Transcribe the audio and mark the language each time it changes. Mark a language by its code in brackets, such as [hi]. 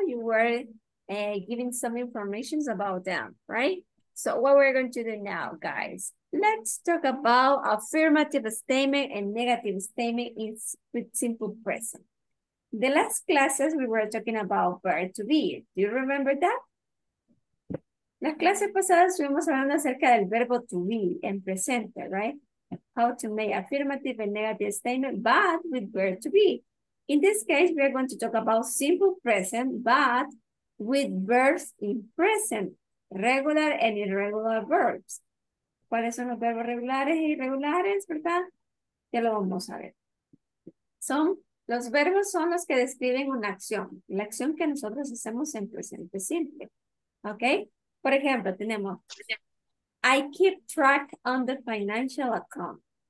[en] You were giving some information about them, right? So what we're going to do now, guys, let's talk about affirmative statement and negative statement in simple present. The last classes we were talking about verb to be. Do you remember that? [es] Las clases pasadas estuvimos hablando acerca del verbo to be en presente, right? [en] How to make affirmative and negative statement, but with verb to be. In this case, we are going to talk about simple present, but with verbs in present, regular and irregular verbs. [es] ¿Cuáles son los verbos regulares e irregulares, verdad? Ya lo vamos a ver. Los verbos son los que describen una acción, la acción que nosotros hacemos en presente simple, ¿ok? Por ejemplo, tenemos, [en] I keep track on the financial account.